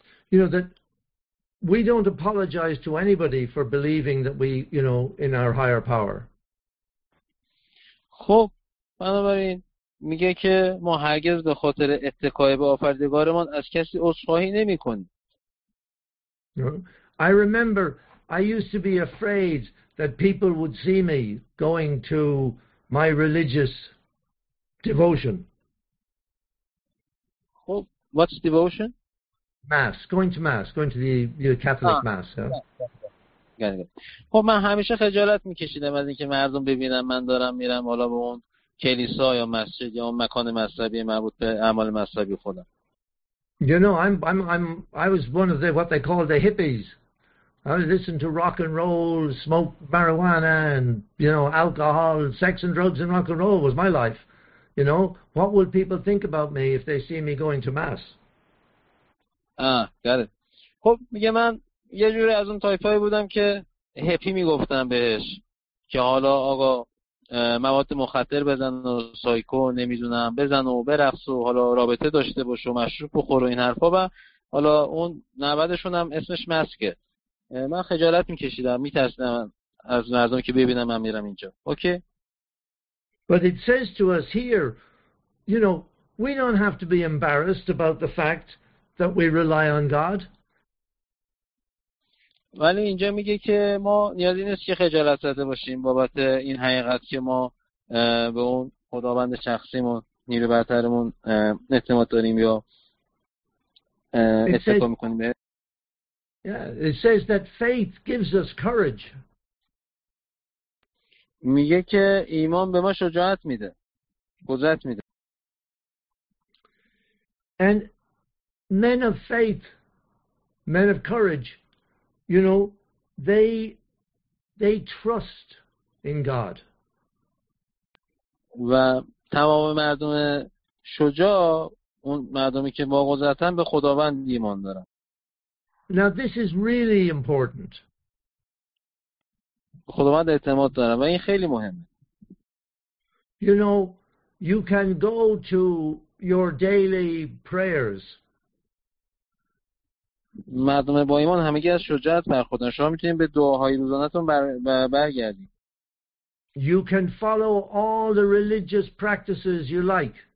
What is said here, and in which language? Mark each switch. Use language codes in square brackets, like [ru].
[en] you know, that we don't apologize to anybody for believing that we, you know, in our higher power. [fa] خب بنابراین میگه که ما هرگز به خاطر اتکای به آفردگارمان از کسی عذرخواهی نمی‌کنیم. [en] I remember I used to be afraid that people would see me going to my religious devotion. خب what's devotion? Mass, going to the Catholic mass. Yeah? [fa] خب من همیشه خجالت میکشیدم از اینکه مردم ببینم من دارم میرم حالا به اون کلیسا یا مسجد یا اون مکان مذهبی مربوط به اعمال مذهبی خودم. [en] You know, I was one of the what they call the hippies. I was listening to rock and roll, smoke marijuana, and you know, alcohol, sex and drugs and rock and roll was my life. You know, what would people think about me if they see me going to mass? Ah, got it. [fa] خب میگه من یه جوری از اون تایپایی بودم که هپی میگفتم بهش که حالا آقا مواد مخدر بزن و سایکو نمیدونم بزن و برقص و حالا رابطه داشته باش و مشروب بخور و این حرفا و حالا اون نوبدشون هم اسمش مسکه. من خجالت میکشیدم میترسیدم از مردم که ببینم من میرم اینجا. اوکی؟ [en] But it says to us here, you know, we don't have to be embarrassed about the fact that we rely on God. [fa] ولی اینجا میگه که ما نیازی نیست که خجالت زده باشیم بابت این حقیقت که ما به اون خداوند شخصیمون نیرو برترمون اعتماد داریم یا استقامت میکنیم. [en] Yeah, it says that faith gives us courage. [fa] میگه که ایمان به ما شجاعت میده. قدرت میده. [en] And men of faith, men of courage, you know, they trust in God. [fa] و تمام مردم شجاع اون مردمی که با قدرتن به خداوند ایمان دارن. [en] Now this is really important. [fa] خداوند اعتماد دارن و این خیلی مهمه. [en] You know, you can go to your daily prayers. [fa] مردم با ایمان همگی از شجاعت برخوردن. شما میتونید به دعاهای روزانه‌تون برگردید. [en] You can follow all the religious practices you like.